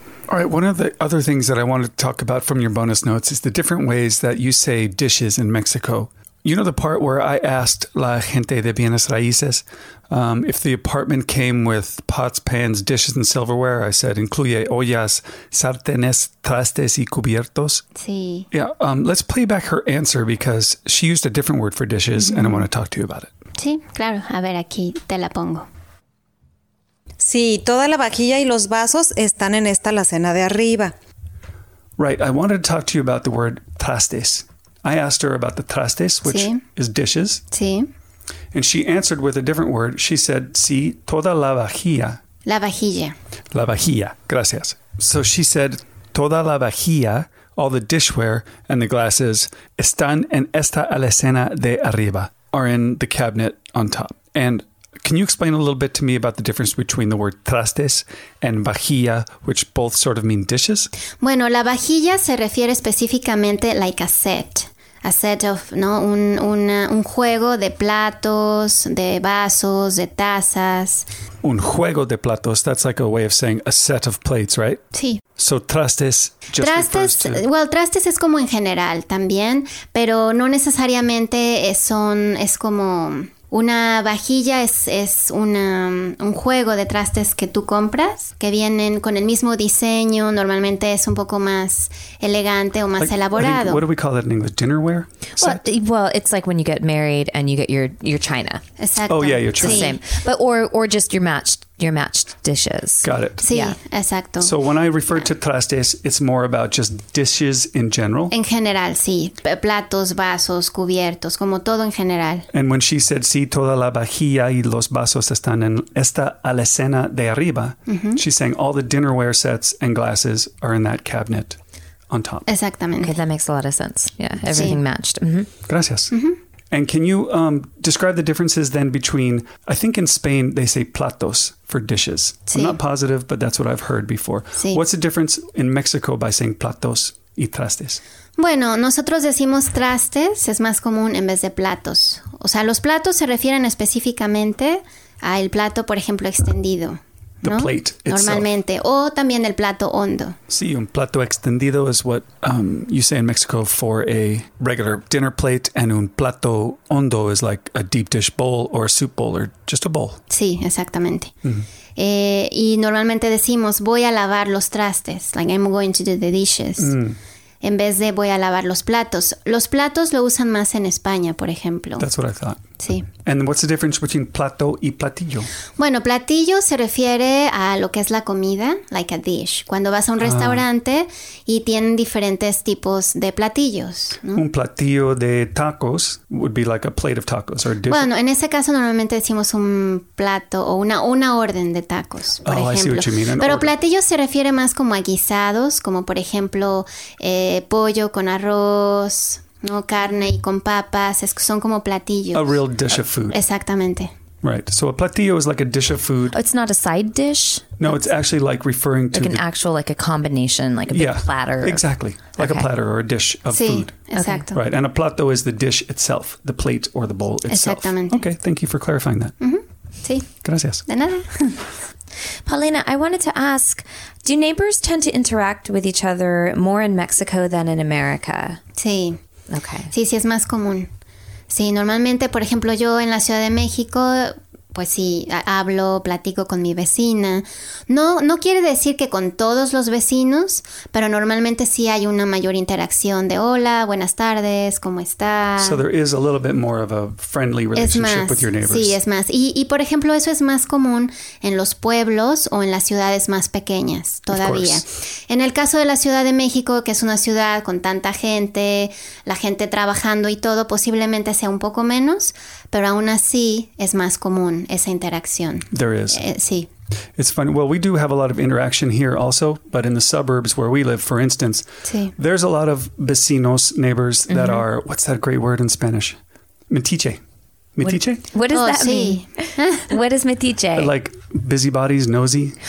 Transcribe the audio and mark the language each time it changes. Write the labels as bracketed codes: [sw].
[en] All right, one of the other things that I want to talk about from your bonus notes is the different ways that you say dishes in Mexico. You know the part where I asked [es] la gente de bienes raíces [en] if the apartment came with pots, pans, dishes, and silverware? I said, [es] incluye ollas, sartenes, trastes y cubiertos? Sí. [en] Yeah, let's play back her answer because she used a different word for dishes, mm-hmm. and I want to talk to you about it. [es] Sí, claro. A ver, aquí te la pongo. Sí, toda la vajilla y los vasos están en esta alacena de arriba. [en] Right, I wanted to talk to you about the word trastes. I asked her about the trastes, which sí. is dishes. [es] Sí. [en] And she answered with a different word. She said, [es] sí, toda la vajilla. La vajilla. La vajilla, gracias. [en] So she said, [es] toda la vajilla, [en] all the dishware and the glasses, [es] están en esta alacena de arriba, [en] are in the cabinet on top. And can you explain a little bit to me about the difference between the word trastes and vajilla, which both sort of mean dishes? [es] Bueno, la vajilla se refiere específicamente [en] like a set of, [es] ¿no? Un juego de platos, de vasos, de tazas. Un juego de platos, [en] that's like a way of saying a set of plates, right? [es] Sí. [en] So trastes just [es] trastes, [en] refers to... [es] Well, trastes es como en general también, pero no necesariamente es como... Una vajilla es un juego de trastes que tú compras, que vienen con el mismo diseño, normalmente es un poco más elegante o más [en] like, [es] elaborado. [en] What do we call that in English? Dinnerware? Well, it's like when you get married and you get your china. [es] Exacto. [en] Oh, yeah, your china. Sí. Same. But or just your matched dishes. Got it. [es] Sí, yeah. Exacto. [en] So when I refer to trastes, it's more about just dishes in general? [es] En general, sí. Platos, vasos, cubiertos, como todo en general. [en] And when she said, [es] sí, toda la vajilla y los vasos están en esta alacena de arriba, [en] mm-hmm. she's saying all the dinnerware sets and glasses are in that cabinet on top. [es] Exactamente. [en] Okay, that makes a lot of sense. Yeah, everything sí. matched. Mm-hmm. [es] Gracias. Mm-hmm. [en] And can you describe the differences then between, I think in Spain they say platos for dishes. [es] Sí. [en] I'm not positive, but that's what I've heard before. [es] Sí. [en] What's the difference in Mexico by saying platos y trastes? [es] Bueno, nosotros decimos trastes, es más común en vez de platos. O sea, los platos se refieren específicamente al plato, por ejemplo, extendido. [en] The [es] ¿no? [en] plate itself. [es] Normalmente, o también el plato hondo. [en] Sí, [es] un plato extendido [en] is what you say in Mexico for a regular dinner plate, and [es] un plato hondo [en] is like a deep dish bowl or a soup bowl or just a bowl. [es] Sí, exactamente. Mm-hmm. Y normalmente decimos, voy a lavar los trastes, [en] like I'm going to do the dishes, mm. [es] en vez de voy a lavar los platos. Los platos lo usan más en España, por ejemplo. [en] That's what I thought. [es] Sí. [en] And what's the difference between plato y platillo? [es] Bueno, platillo se refiere a lo que es la comida, [en] like a dish. [es] Cuando vas a un restaurante y tienen diferentes tipos de platillos, ¿no? Un platillo de tacos [en] would be like a plate of tacos or a dish. [es] Bueno, en ese caso normalmente decimos un plato o una orden de tacos, por ejemplo. [en] I see what you mean, an Pero order. [es] Platillo se refiere más como a guisados, como por ejemplo pollo con arroz... No, carne y con papas, son como platillos. [en] A real dish of food. [es] Exactamente. [en] Right, so a platillo is like a dish of food. Oh, it's not a side dish? No, it's actually like referring to... Like an actual, like a combination, like a big yeah, platter. Exactly, like okay. a platter or a dish of [es] sí, [en] food. [es] Exacto. [en] Okay. Right, and a plato is the dish itself, the plate or the bowl itself. [es] Exactamente. [en] Okay, thank you for clarifying that. [es] Mm-hmm. Sí. Gracias. De nada. [en] Paulina, I wanted to ask, do neighbors tend to interact with each other more in Mexico than in America? [es] Sí. [en] Okay. [es] Sí, sí, es más común. Sí, normalmente, por ejemplo, yo en la Ciudad de México, pues sí, hablo, platico con mi vecina. No quiere decir que con todos los vecinos, pero normalmente sí hay una mayor interacción de hola, buenas tardes, ¿cómo está? [en] So there is a little bit more of a friendly relationship [es] más, [en] with your neighbors. [es] Sí, es más. Y por ejemplo, eso es más común en los pueblos o en las ciudades más pequeñas todavía. [en] Of course. [es] En el caso de la Ciudad de México, que es una ciudad con tanta gente, la gente trabajando y todo, posiblemente sea un poco menos, pero aún así es más común. Esa interacción. [en] There is. [es] Sí. [en] It's funny. Well, we do have a lot of interaction here also, but in the suburbs where we live, for instance, [es] sí. [en] there's a lot of vecinos, neighbors, that mm-hmm. are, what's that great word in Spanish? Metiche. [es] Metiche? [en] What does that mean? What is metiche? Like busybodies, nosy.